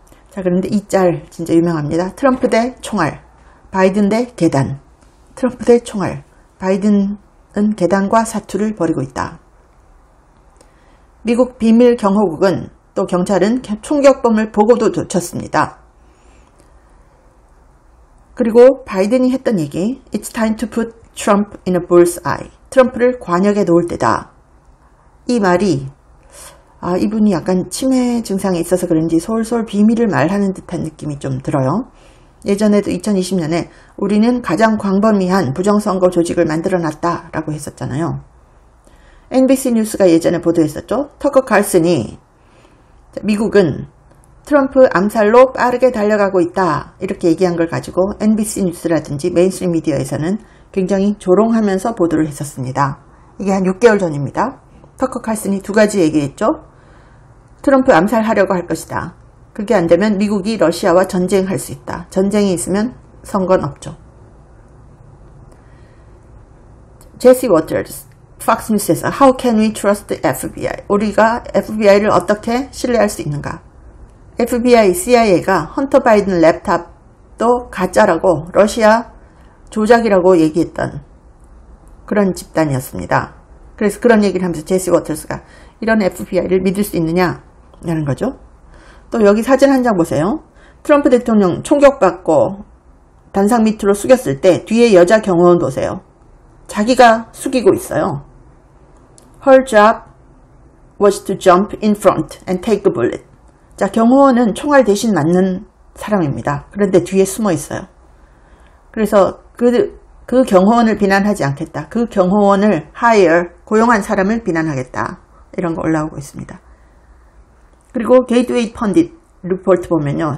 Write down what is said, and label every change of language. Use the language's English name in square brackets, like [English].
[Korean] 자, 그런데 이짤 진짜 유명합니다. 트럼프 대 총알. 바이든 대 계단. 트럼프 대 총알. 바이든은 계단과 사투를 벌이고 있다. 미국 비밀 경호국은 또 경찰은 총격범을 보고도 놓쳤습니다. 그리고 바이든이 했던 얘기, [English] It's time to put Trump in a bull's eye. [Korean] 트럼프를 관역에 놓을 때다. 이 말이, 아, 이분이 약간 치매 증상이 있어서 그런지 솔솔 비밀을 말하는 듯한 느낌이 좀 들어요. 예전에도 2020년에 우리는 가장 광범위한 부정선거 조직을 만들어 놨다라고 했었잖아요. NBC 뉴스가 예전에 보도했었죠. 터커 칼슨이 미국은 트럼프 암살로 빠르게 달려가고 있다 이렇게 얘기한 걸 가지고 NBC 뉴스라든지 메인스트림 미디어에서는 굉장히 조롱하면서 보도를 했었습니다. 이게 한 6개월 전입니다. 터커 칼슨이 두 가지 얘기했죠. 트럼프 암살하려고 할 것이다. 그게 안 되면 미국이 러시아와 전쟁할 수 있다. 전쟁이 있으면 선거는 없죠. [English] 제시 워터스, [Korean] 폭스뉴스에서 [English] How can we trust the FBI? [Korean] 우리가 FBI를 어떻게 신뢰할 수 있는가? FBI, CIA가 헌터 바이든 랩탑도 가짜라고 러시아 조작이라고 얘기했던 그런 집단이었습니다. 그래서 그런 얘기를 하면서 제시 워터스가 이런 FBI를 믿을 수 있느냐? 라는 거죠. 또 여기 사진 한장 보세요. 트럼프 대통령 총격받고 단상 밑으로 숙였을 때 뒤에 여자 경호원 보세요. 자기가 숙이고 있어요. [English] Her job was to jump in front and take a bullet. [Korean] 자, 경호원은 총알 대신 맞는 사람입니다. 그런데 뒤에 숨어 있어요. 그래서 그 경호원을 비난하지 않겠다. 그 경호원을 hire, 고용한 사람을 비난하겠다. 이런 거 올라오고 있습니다. 그리고 게이트웨이 펀딧 리포트 보면요.